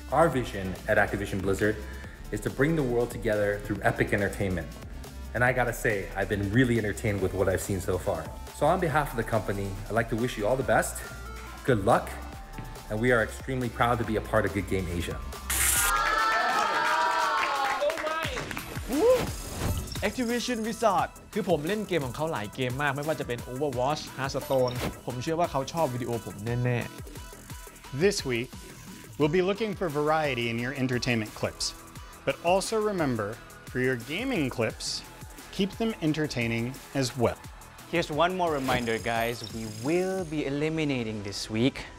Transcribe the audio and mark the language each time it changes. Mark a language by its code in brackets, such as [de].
[en] Our vision at Activision Blizzard is to bring the world together through epic entertainment. And I gotta say, I've been really entertained with what I've seen so far. So on behalf of the company, I'd like to wish you all the best, good luck, and we are extremely proud to be a part of Good Game Asia. [th] Activision Wizard คือผมเล่นเกมของเขาหลายเกมมากไม่ว่าจะเป็น Overwatch, Hearthstone ผมเชื่อว่าเขาชอบวิดีโอผมแน่ [en] ๆ This week we'll be looking for variety in your entertainment clips but also remember for your gaming clips keep them entertaining as well. Here's one more reminder guys, we will be eliminating this week.